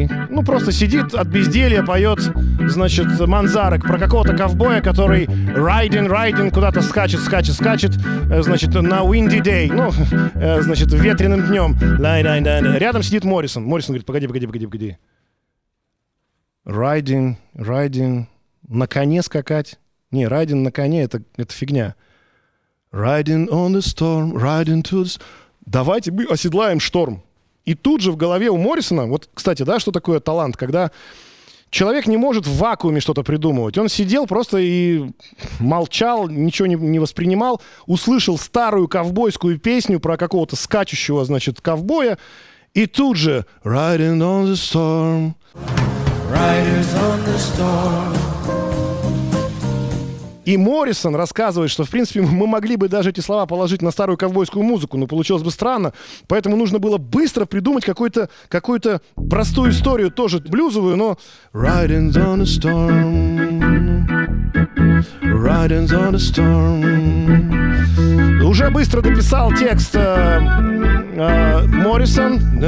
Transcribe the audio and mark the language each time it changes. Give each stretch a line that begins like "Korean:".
Russian: Ну, просто сидит от безделья, поет, значит, Манзарек про какого-то ковбоя, который riding куда-то скачет, значит, на
English: windy day,
Russian: ну, значит, ветреным днем. Рядом сидит Моррисон. Моррисон говорит, погоди. Riding, на коне скакать. Не, riding на коне, это фигня.
English: Riding on the storm, riding to the...
Russian: Давайте мы оседлаем шторм. И тут же в голове у Моррисона, вот, кстати, да, что такое талант, когда человек не может в вакууме что-то придумывать. Он сидел просто и молчал, ничего не воспринимал, услышал старую ковбойскую песню про какого-то скачущего, значит, ковбоя, и тут же
English: riding on the storm. Riders on the storm.
Russian: И Моррисон рассказывает, что, в принципе, мы могли бы даже эти слова положить на старую ковбойскую музыку, но получилось бы странно, поэтому нужно было быстро придумать какую-то простую историю, тоже блюзовую, но...
English: Riding on a storm, riding on a storm.
Russian: Уже быстро дописал текст Моррисон.